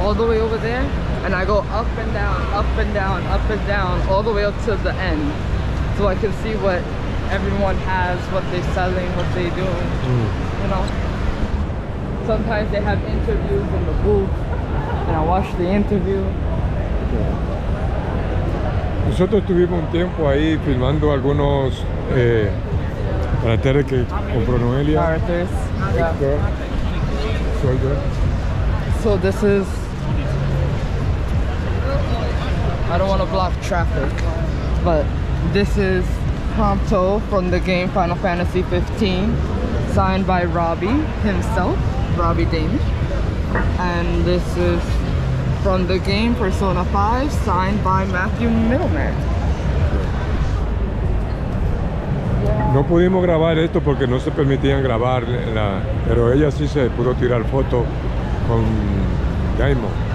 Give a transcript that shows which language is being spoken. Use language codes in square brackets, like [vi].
[en] All the way over there, and I go up and down, up and down, up and down, all the way up to the end, so I can see what everyone has, what they're selling, what they're doing, you know. Sometimes they have interviews in the booth, and I watch the interview. [es] Nosotros tuvimos un tiempo ahí filmando algunos caracteres que compró Noelia. [en] Characters, yeah. Soldier. So this is... I don't want to block traffic, but this is Prompto from the game Final Fantasy XV, signed by Robbie himself, Robbie Danish. And this is from the game Persona 5, signed by Matthew Middleman. [es] No pudimos grabar esto porque no se permitían grabar, pero ella sí se pudo tirar foto con Damon.